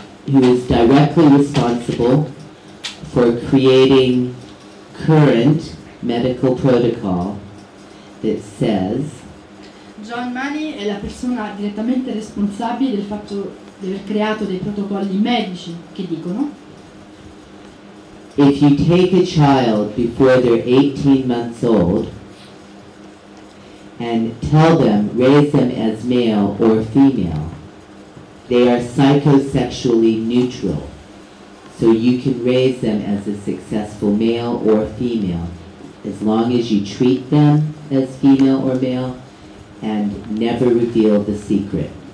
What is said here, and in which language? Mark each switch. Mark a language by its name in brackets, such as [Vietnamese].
[English] who is directly responsible for creating current medical protocol that says [Italian] John Money è la persona direttamente responsabile del fatto di aver creato dei protocolli medici che dicono [English] if you take a child before they're 18 months old and tell them, raise them as male or female, they are psychosexually neutral. So you can raise them as a successful male or female, as long as you treat them as female or male, and never reveal the secret.